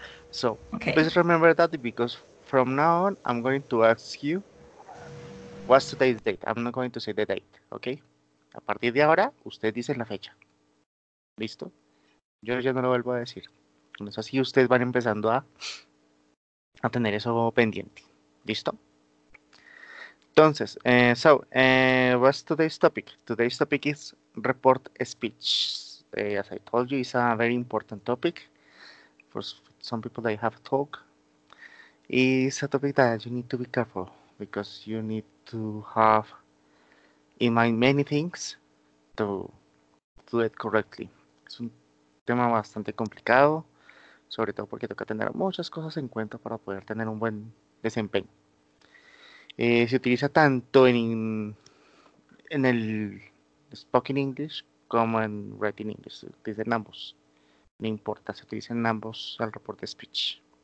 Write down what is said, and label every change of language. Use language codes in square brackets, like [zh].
[en] So please remember that because from now on I'm going to ask you what's today's date. I'm not going to say the date, okay? [es] A partir de ahora, usted dice la fecha. ¿Listo? Yo ya no lo vuelvo a decir. Entonces así ustedes van empezando a tener eso pendiente. ¿Listo? Entonces, [en] what's today's topic? Today's topic is report speech. As I told you, it's a very important topic for some people that have talk. It's a topic that you need to be careful because you need to have in mind many things to do it correctly. [es] Es un tema bastante complicado, sobre todo porque toca tener muchas cosas en cuenta para poder tener un buen desempeño. Se utiliza tanto en el spoken English como en writing English, se utilizan ambos, no importa, se utilizan ambos al report speech.